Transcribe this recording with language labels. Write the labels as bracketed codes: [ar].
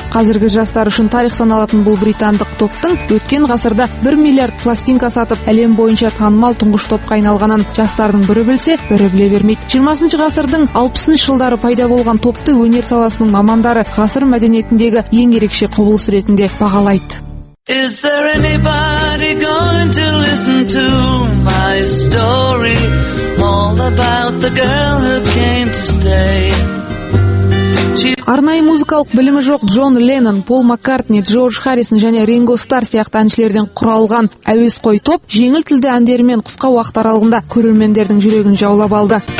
[kk] Қазіргі жастар үшін тарих саналатын бұл британдық топтың өткен ғасырда 1 миллиард пластинка сатып, әлем бойынша танымал тұңғыш топқа айналғанын жастардың бірі білсе, бірі біле бермейді. 20-шы ғасырдың 60-шы жылдары пайда болған топты өнер саласының мамандары ғасыр мәдениетіндегі ең ерекше құбылыс ретінде бағалайды. [en] Is there anybody going to listen to my story? All about the girl who came to stay. [kk] Арнайы музыкалық білімі жоқ Джон Леннон, Пол Маккартни, Джордж Харрисон және Ринго Стар сияқты әншілерден құралған әуесқой топ жеңіл тілді әндерімен қысқа уақыт аралығында көрермендердің жүрегін жаулап алды.